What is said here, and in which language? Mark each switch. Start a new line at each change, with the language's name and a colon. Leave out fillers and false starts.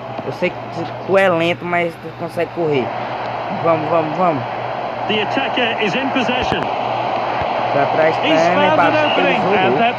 Portuguese: Eu sei que tu é lento, mas tu consegue correr. Vamos, vamos, vamos.
English: The attacker is in possession.
Portuguese: Pra trás, Tanner, passou pelo jogo.